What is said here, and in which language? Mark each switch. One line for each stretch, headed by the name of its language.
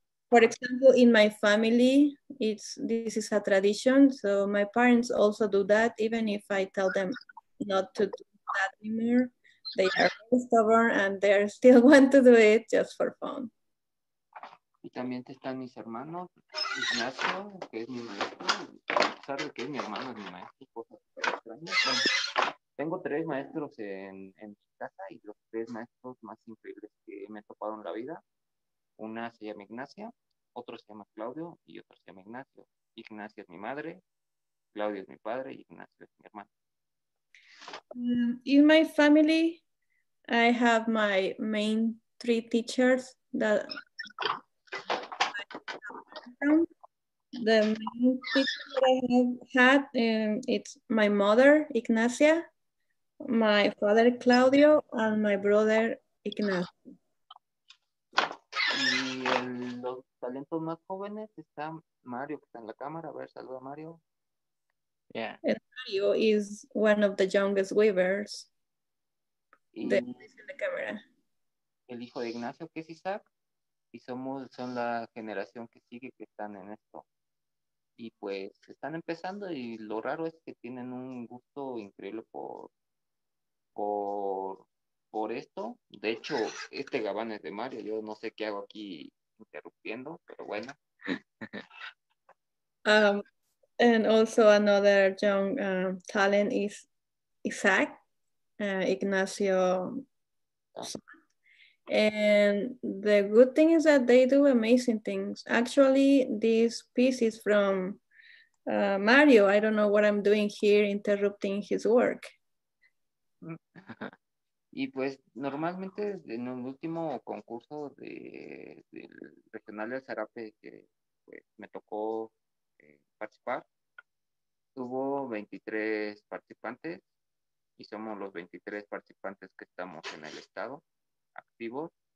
English: For example, in my family, this is a tradition, so my parents also do that, even if I tell them not to do that anymore. They are stubborn and they are still want to do it just for fun.
Spanish: Y también están mis hermanos, Ignacio, que es mi maestro, sabe que es mi hermano, es mi maestro, cosas extrañas. Bueno, tengo 3 maestros en mi casa y los 3 maestros más increíbles que me he topado en la vida. Una se llama Ignacia, otro se llama Claudio y otro se llama Ignacio. Ignacia es mi madre, Claudio es mi padre y Ignacio es mi hermano.
English: In my family, I have my main 3 teachers that I have from. The main teacher that I have had, it's my mother, Ignacia, my father, Claudio, and my brother, Ignacio.
Spanish: Y los talentos más jóvenes está Mario, que está en la cámara. A ver, saluda a Mario.
English: Yeah. Mario is one of the youngest weavers.
Spanish: El hijo de Ignacio, que es Isaac, y son la generación que sigue, que están en esto. Y pues están empezando, y lo raro es que tienen un gusto increíble por esto. De hecho, este gabán es de Mario. Yo no sé qué hago aquí interrumpiendo, pero bueno.
English: And also another young talent is Isaac, Ignacio. And the good thing is that they do amazing things. Actually, this piece is from Mario. I don't know what I'm doing here interrupting his work.
Spanish: Y pues normalmente en un último concurso de regional de Zarape que pues, me tocó participar, hubo 23 participantes y somos los 23 participantes que estamos en el estado activos.